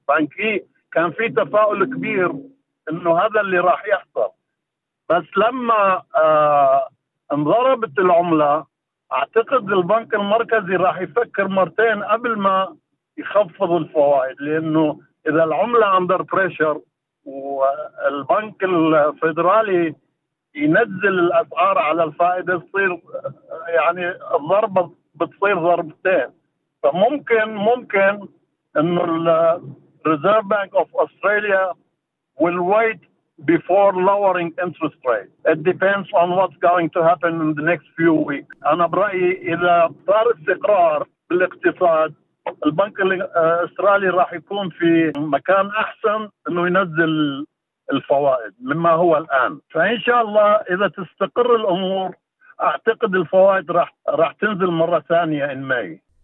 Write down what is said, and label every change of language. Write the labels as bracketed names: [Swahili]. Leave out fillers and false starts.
[Arabic] بنكي كان في تفاؤل كبير إنه هذا اللي راح يحصل، بس لما انضربت العملة أعتقد البنك المركزي راح يفكر مرتين قبل ما يخفض الفوائد، لأنه إذا العملة [English] under pressure [Arabic] والبنك الفيدرالي ينزل الأسعار على الفائدة تصير يعني الضربة بتصير ضربتين. فممكن إنه الريزيرف بانك أوف أستراليا [English] will wait before lowering interest rate. It depends on what's going to happen in the next few weeks. [Arabic] أنا برأيي إذا صار استقرار بالاقتصاد البنك الأسترالي راح يكون في مكان أحسن إنه ينزل الفوائد مما هو الآن. فإن شاء الله إذا تستقر الأمور أعتقد الفوائد راح تنزل مرة ثانية إن ماي.